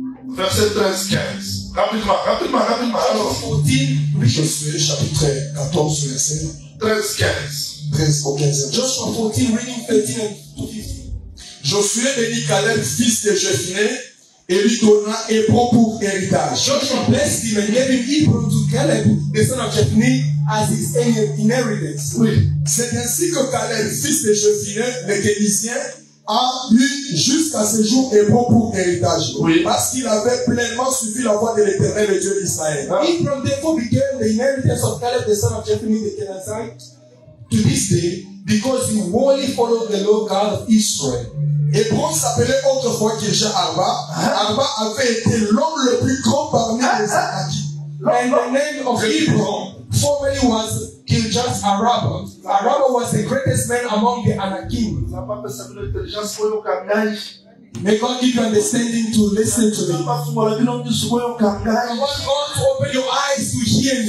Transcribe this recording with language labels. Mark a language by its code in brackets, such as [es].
[fr] Verset 13-15. Rapidement. Josué chapitre 14, verset 13-15. 13-15. [en] Joshua 14, reading 13 and 15. [fr] Josué bénit Caleb, fils de Jephunné, et lui donna Hébron pour héritage. [en] Joshua blessed him and gave him Hébron to Caleb, the son of Jephunné, as his inheritance. [fr] Oui. C'est ainsi que Caleb, fils de Jephunné, le Kenizien, a eu jusqu'à ce jour Hébron pour héritage. Oui. Parce qu'il avait pleinement suivi la voix de l'Éternel, le Dieu d'Israël. [en] Hébron, therefore, became the inheritance of Caleb, the son of Jephunné, the Kenizzite, to this day, because he wholly followed the Lord God of Israel. [fr] Hébron s'appelait autrefois Kirjat Arba. Arba avait été l'homme le plus grand parmi les Anakites. [en] And the name of Hébron formerly was Kirjat Arba. Arba was the greatest man among the Anakites. May God give you understanding to listen to me. I want God to open your eyes to hear me.